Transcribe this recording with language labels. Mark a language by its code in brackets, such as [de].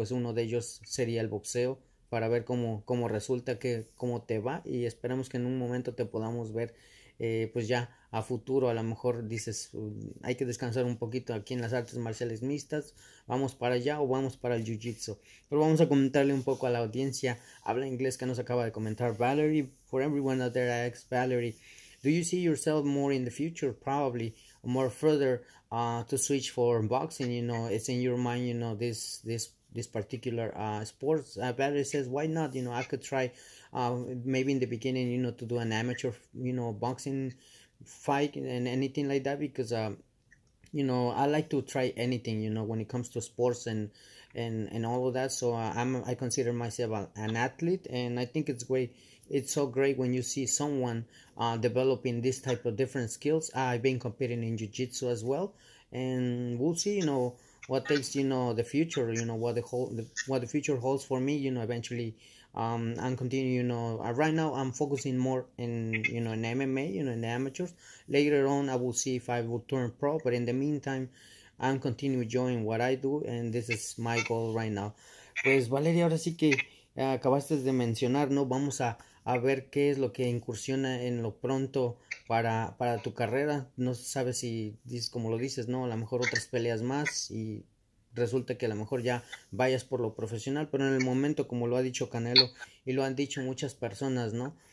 [es] Pues uno de ellos sería el boxeo, para ver cómo resulta, cómo te va, y esperamos que en un momento te podamos ver. Pues ya a futuro, a lo mejor dices, hay que descansar un poquito aquí en las artes marciales mixtas, vamos para allá o vamos para el jiu-jitsu. Pero vamos a comentarle un poco a la audiencia, habla inglés, que nos acaba de comentar Valerie. [en] For everyone out there, I ask Valerie, do you see yourself more in the future, probably, more further, to switch for boxing? You know, it's in your mind, you know, this particular sports. Valerie says, why not? You know, I could try. Maybe in the beginning, you know, to do an amateur, you know, boxing fight and anything like that, because you know, I like to try anything, you know, when it comes to sports and all of that. So I consider myself an athlete, and I think it's great. It's so great when you see someone developing this type of different skills. I've been competing in jiu-jitsu as well, and we'll see, you know, what takes, you know, the future, you know, what the future holds for me, you know, eventually. And continue, you know, right now I'm focusing more in, you know, in MMA, you know, in the amateurs. Later on, I will see if I will turn pro, but in the meantime, I'm continuing enjoying what I do, and this is my goal right now. [es] Pues Valeria, ahora sí que acabaste de mencionar, ¿no? Vamos a ver qué es lo que incursiona en lo pronto para tu carrera. No sabes si dices como lo dices, ¿no? A lo mejor otras peleas más y resulta que a lo mejor ya vayas por lo profesional, pero en el momento, como lo ha dicho Canelo y lo han dicho muchas personas, ¿no?